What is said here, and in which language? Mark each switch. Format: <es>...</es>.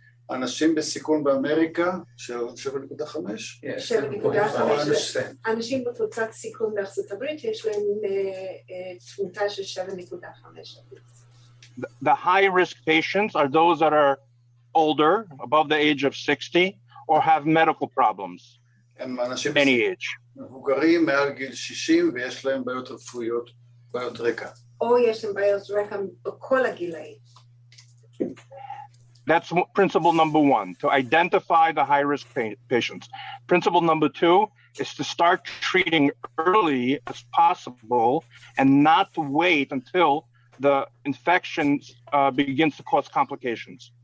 <he>אנשים בסיכון באמריקה של 7.5? 7.5. אנשים בתוצאת סיכון בארצות הברית יש להם תמותה של 7.5.</he> <en>The high-risk patients are those that are older, above the age of 60, or have medical problems, any age.</en> <he>מבוגרים מעל גיל 60 ויש להם בעיות רפואיות, בעיות רקע. או יש להם בעיות רקע בכל הגילאים.</he> <en>That's principle number one, to identify the high-risk patients. Principle number two is to start treating early as possible and not to wait until the infection begins to cause complications.</en>